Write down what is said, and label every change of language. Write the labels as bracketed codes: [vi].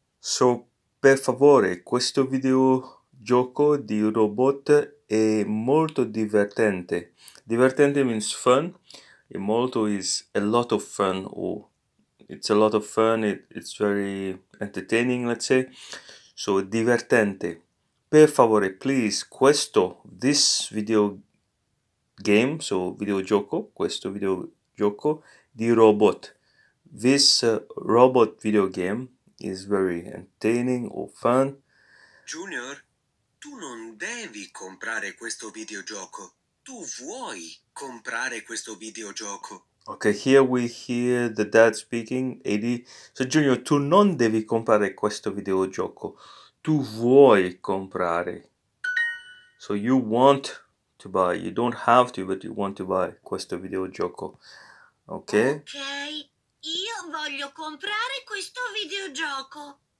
[it] So per favore, questo videogioco di robot è molto divertente. [en] Divertente means fun. [it] E molto [en] is a lot of fun, or it's a lot of fun, it's very entertaining, let's say. [it] So, divertente. Per favore, [en] please, this video game, so [it] videogioco, questo videogioco di robot. [en] This robot video game is very entertaining or fun. [it] Junior, tu non devi comprare questo videogioco. Tu vuoi comprare questo videogioco. [en] Okay, here we hear the dad speaking, Eddie. [it] So, Junior, tu non devi comprare questo videogioco. Tu vuoi comprare. [en] So, you want to buy. You don't have to, but you want to buy [it] questo videogioco. [en] Okay? [it] Okay, io voglio comprare questo videogioco.